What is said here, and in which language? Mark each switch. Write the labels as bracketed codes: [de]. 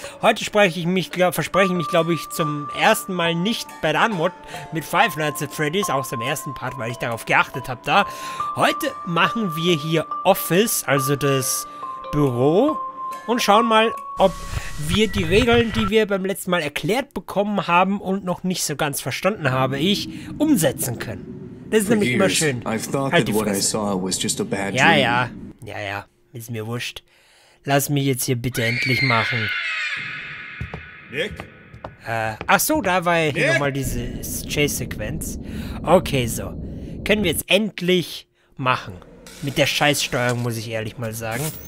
[de] Heute verspreche ich mich, glaube ich, zum ersten Mal nicht bei der Anmod mit Five Nights at Freddy's, auch zum ersten Part, weil ich darauf geachtet habe da. Heute machen wir hier Office, also das Büro, und schauen mal, ob wir die Regeln, die wir beim letzten Mal erklärt bekommen haben und noch nicht so ganz verstanden habe, ich umsetzen können. Das ist nämlich immer schön. [en] I've thought that what I saw was just a bad dream. [de] Ja. Ist mir wurscht. Lass mich jetzt hier bitte endlich machen. Nick? Da war ja hier nochmal diese Chase-Sequenz. Okay, so. Können wir jetzt endlich machen. Mit der Scheißsteuerung, muss ich ehrlich mal sagen.